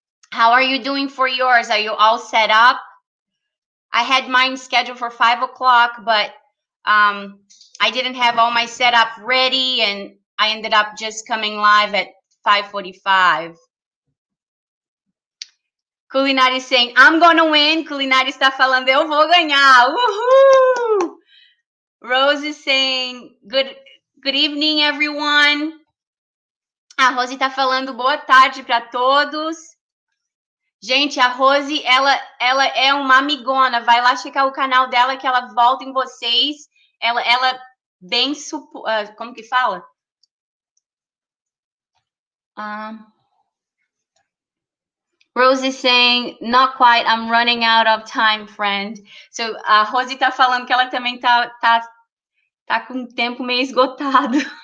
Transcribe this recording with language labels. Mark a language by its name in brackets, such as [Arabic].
[English] How are you doing for yours? Are you all set up? I had mine scheduled for 5 o'clock, but I didn't have all my setup ready, and I ended up just coming live at 5:45. Culinária saying, I'm going to win. [Portuguese] Culinária está falando, eu vou ganhar. Woohoo! [English] Rose is saying, good evening, everyone. [Portuguese] A Rose está falando, boa tarde para todos. Gente, a Rose, ela é uma amigona. Vai lá checar o canal dela, que ela volta em vocês. Ela bem... como que fala? [English] Rose is saying, not quite, I'm running out of time, friend. [Portuguese] So, a Rose tá falando que ela também tá com o tempo meio esgotado.